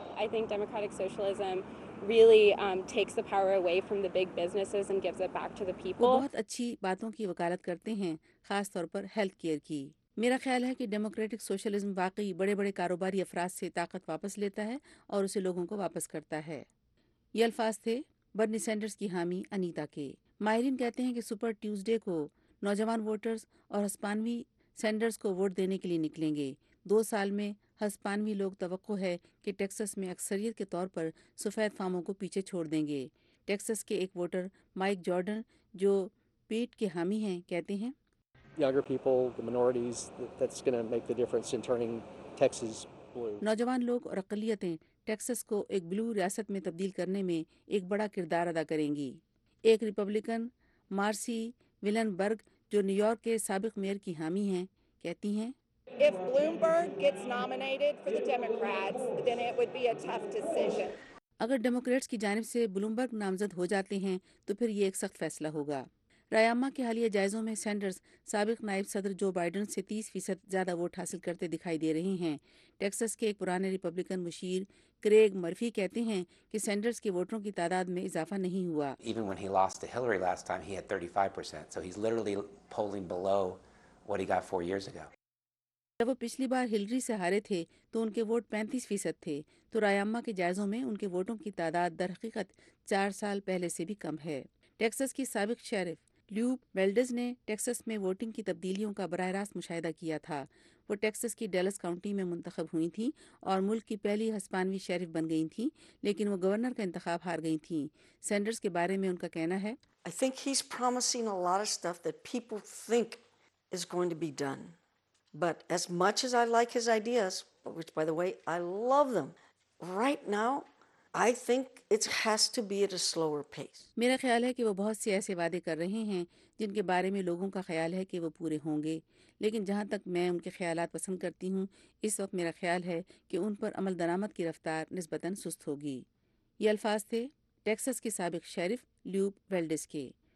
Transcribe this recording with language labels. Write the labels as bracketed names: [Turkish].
[English] really takes the power away from the big businesses and gives it back to the people. [Urdu] وہ بہت اچھی باتوں کی وکالت کرتے ہیں, خاص طور پر ہیلتھ کیئر کی. میرا خیال ہے کہ ڈیموکریٹک سوشلزم واقعی بڑے بڑے کاروباری افراد سے طاقت واپس لیتا ہے اور اسے لوگوں کو واپس کرتا ہے. یہ الفاظ تھے برنی سینڈرز کی حامی انیتا کے. ماہرین کہتے ہیں کہ سپر ٹیوزڈے کو نوجوان ووٹرز اور ہسپانوی سینڈرز کو ووٹ دینے کے لیے نکلیں گے. 2 سال میں ہسپانوی لوگ توقع ہے کہ ٹیکساس میں اکثریت کے طور پر سفید فاموں کو پیچھے چھوڑ دیں گے. ٹیکساس کے ایک ووٹر مائک جارڈن, جو پیٹ کے حامی ہیں, کہتے ہیں, [English] Younger people, the minorities, that's going to make the difference in turning Texas blue. [Urdu] نوجوان لوگ اور اقلیتیں ٹیکساس کو ایک بلو ریاست میں تبدیل کرنے میں ایک بڑا کردار ادا کریں گی. ایک ریپبلکن مارسی ویلن برگ, جو نیو یارک کے سابق میئر کی حامی ہیں, کہتی ہیں, [English] If Bloomberg gets nominated for the Democrats, then it would be a tough decision. [Urdu] اگر ڈیموکریٹس کی جانب سے بلومبرگ نامزد ہو جاتے ہیں تو پھر یہ ایک سخت فیصلہ ہوگا. رائے عامہ کے حالیہ جائزوں میں سینڈرز سابق نائب صدر جو بائیڈن سے 30% زیادہ ووٹ حاصل کرتے دکھائی دے رہے ہیں. ٹیکساس کے ایک پرانے ریپبلکن مشیر کریگ مرفی کہتے ہیں کہ سینڈرز کے ووٹروں کی تعداد میں اضافہ نہیں ہوا. [English] Even when he lost to Hillary last time, he had 35%. So he's literally polling below what he got 4 years ago. [Urdu] جب وہ پچھلی بار ہلری سے ہارے تھے تو ان کے ووٹ 35% تھے. تو رائے کے جائزوں میں ان کے ووٹوں کی تعداد درحقیقت 4 سال پہلے سے بھی کم ہے. ٹیکسس کی سابق شیرف لیوب ویلڈز نے ٹیکسس میں ووٹنگ کی تبدیلیوں کا براہ راست مشاہدہ کیا تھا. وہ ٹیکسس کی ڈیلس کاؤنٹی میں منتخب ہوئی تھیں اور ملک کی پہلی ہسپانوی شیرف بن گئی تھیں, لیکن وہ گورنر کا انتخاب ہار گئی تھیں. سینڈرز کے بارے میں ان کا کہنا ہے, [English] I think he's promising a lot of stuff that people think is going to be done. But as much as I like his ideas, which by the way, I love them, right now, I think it has to be at a slower pace. [Urdu] میرا خیال ہے کہ وہ بہت سے ایسے وعدے کر رہے ہیں جن کے بارے میں لوگوں کا خیال ہے کہ وہ پورے ہوں گے, لیکن جہاں تک میں ان کے خیالات پسند کرتی ہوں, اس وقت میرا خیال ہے کہ ان پر عمل درآمد کی رفتار نسبتاً سست ہوگی. یہ الفاظ تھے ٹیکسس کے سابق شیرف لیوب ویلڈز کے.